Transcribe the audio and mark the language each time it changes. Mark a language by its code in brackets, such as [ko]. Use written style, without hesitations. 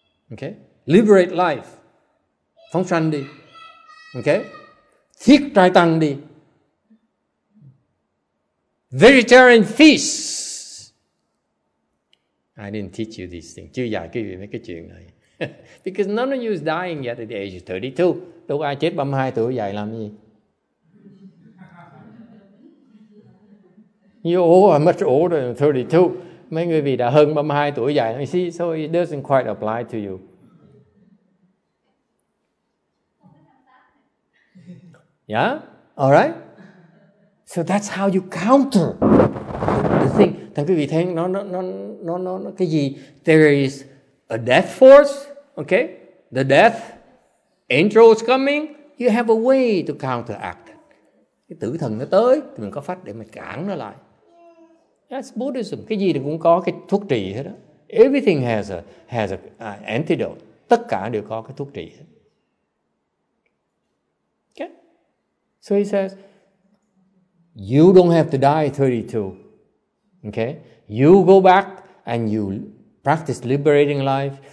[vi] Okay? [en] Liberate life. [vi] Phóng sanh đi. Okay? Thiết trai tăng đi. [en] Vegetarian feast. I didn't teach you these things. [vi] Chưa dạy quý vị mấy cái chuyện này. [en] Because none of you is dying yet at the age of 32. [vi] Đâu ai chết 32 tuổi dạy làm gì. [en] You're much older than 32. [vi] Mấy người vì đã hơn 32 tuổi dài. [en] You see, so it doesn't quite apply to you. Yeah? All right? So that's how you counter the nothing. [vi] Thằng quý vị thấy nó cái gì? [en] There is a death force, okay? The death angel is coming. You have a way to counteract it. [vi] Cái tử thần nó tới, mình có pháp để mình cản nó lại. [en] That's Buddhism. [vi] Cái gì thì cũng có cái thuốc trị hết đó. [en] Everything has a antidote. [vi] Tất cả đều có cái thuốc trị hết. [en] Okay. So he says, you don't have to die 32. Okay. You go back and you practice liberating life.